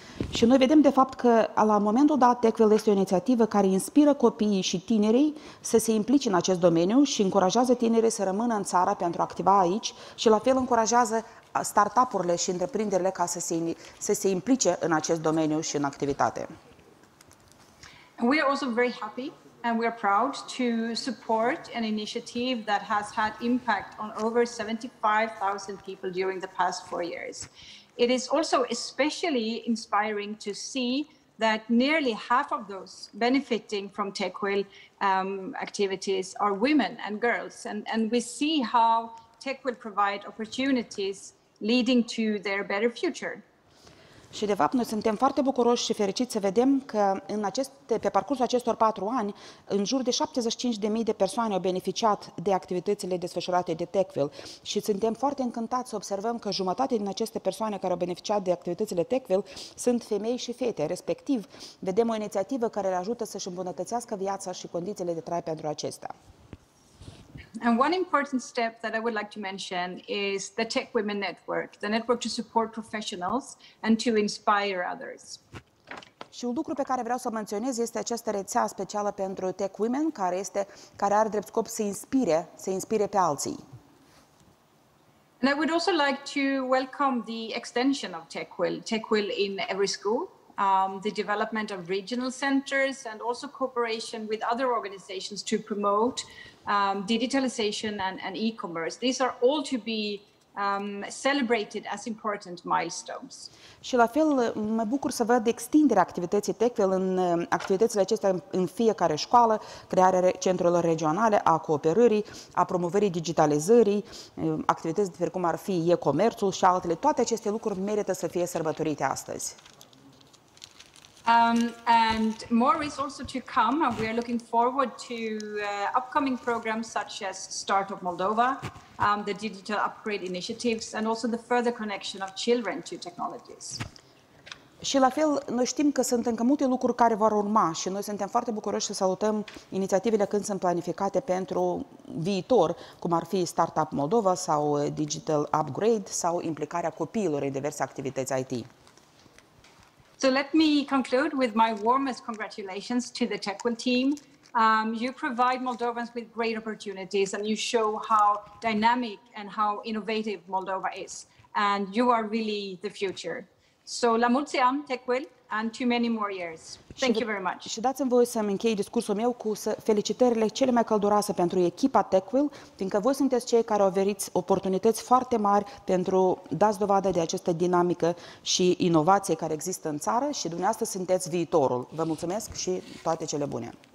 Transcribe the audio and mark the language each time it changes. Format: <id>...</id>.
<ro>Și noi vedem de fapt că la momentul dat Techwell este o inițiativă care inspiră copiii și tinerii să se implice în acest domeniu și încurajează tinerii să rămână în țară pentru a activa aici și la fel încurajează startup-urile și întreprinderile ca să se implice în acest domeniu și în activitate.</ro> <en>We are also very happy and we are proud to support an initiative that has had impact on over 75,000 people during the past 4 years. It is also especially inspiring to see that nearly half of those benefiting from TechWell activities are women and girls. And we see how TechWell provide opportunities leading to their better future.</en> <ro>Și de fapt, noi suntem foarte bucuroși și fericiți să vedem că pe parcursul acestor 4 ani, în jur de 75.000 de persoane au beneficiat de activitățile desfășurate de TechWell. Și suntem foarte încântați să observăm că jumătate din aceste persoane care au beneficiat de activitățile TechWell sunt femei și fete. Respectiv, vedem o inițiativă care le ajută să-și îmbunătățească viața și condițiile de trai pentru acestea.</ro> <en>And one important step that I would like to mention is the Tech Women Network, the network to support professionals and to inspire others.</en> <ro>Și un lucru pe care vreau să menționez este această rețea specială pentru Tech Women care are drept scop să inspire pe alții.</ro> <en>And I would also like to welcome the extension of TechWell in every school. The development of regional centers and also cooperation with other organizations to promote digitalization and e-commerce. These are all to be celebrated as important milestones.</en> <ro>Și la fel, mă bucur să văd extinderea activității TechWell în activitățile acestea în fiecare școală, crearea centrelor regionale a cooperării, a promovării digitalizării, activități de precum ar fi e-commerțul și altele. Toate aceste lucruri merită să fie sărbătorite astăzi.</ro> <en>And more is also to come, and we are looking forward to upcoming programs such as Start of Moldova, the Digital Upgrade Initiatives, and also the further connection of children to technologies.</en> <ro>Și la fel, noi știm că sunt încă multe lucruri care vor urma și noi suntem foarte bucuroși să salutăm inițiativele când sunt planificate pentru viitor, cum ar fi Startup Moldova sau Digital Upgrade sau implicarea copiilor în diverse activități IT.</ro> <en>So let me conclude with my warmest congratulations to the TechWell team. You provide Moldovans with great opportunities and you show how dynamic and how innovative Moldova is. And you are really the future. So</en> <ro>la mulți ani,</ro> <en>TechWell, and to many more years. Thank you very much.</en> <ro>Și dați-mi voie să-mi închei discursul meu cu felicitările cele mai călduroase pentru echipa TechWell, fiindcă voi sunteți cei care oferiți oportunități foarte mari pentru dați dovadă de această dinamică și inovație care există în țară și dumneavoastră sunteți viitorul. Vă mulțumesc și toate cele bune.</ro>